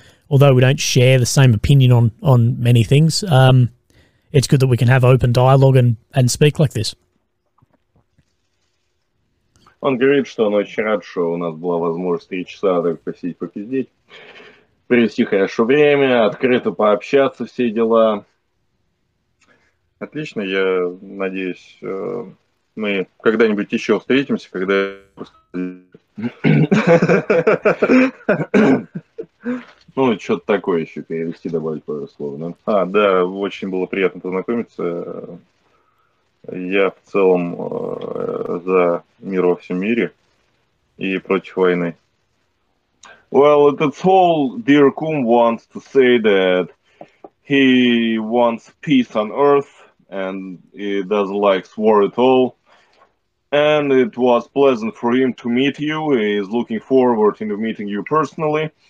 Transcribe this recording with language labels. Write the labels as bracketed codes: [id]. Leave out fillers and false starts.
[en] Although we don't share the same opinion on many things, it's good that we can have open dialogue and speak like this. [ru] Он говорит, что он очень рад, что у нас была возможность 3 часа так посидеть, попиздеть, провести хорошо время, открыто пообщаться, все дела. Отлично, я надеюсь, мы когда-нибудь еще встретимся, когда... Ну, что-то такое еще перевести, добавить пару слов, да? А, да, очень было приятно познакомиться. Я в целом за мир во всем мире и против войны. [en] Well, that's all Dear Kum wants to say, that he wants peace on earth. And he doesn't like war at all. And it was pleasant for him to meet you. He is looking forward to meeting you personally.